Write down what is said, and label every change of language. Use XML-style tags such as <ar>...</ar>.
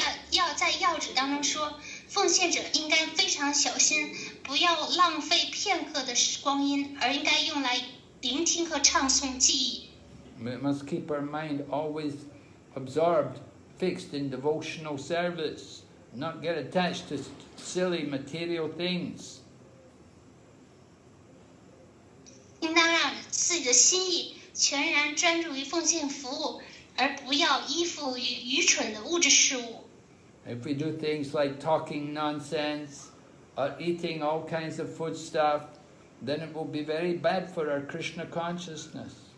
<zh>要在要旨当中说，奉献者应该非常小心，不要浪费片刻的光阴，而应该用来聆听和唱诵记忆。</zh> <en>We must keep our mind always absorbed, fixed in devotional service, not get attached to silly material things.</en> <zh>应当让自己的心意全然专注于奉献服务。而不要依附于愚蠢的物质事物。</zh> <en>If we do things like talking nonsense or eating all kinds of food stuff, then it will be very bad for our Krishna consciousness.</en>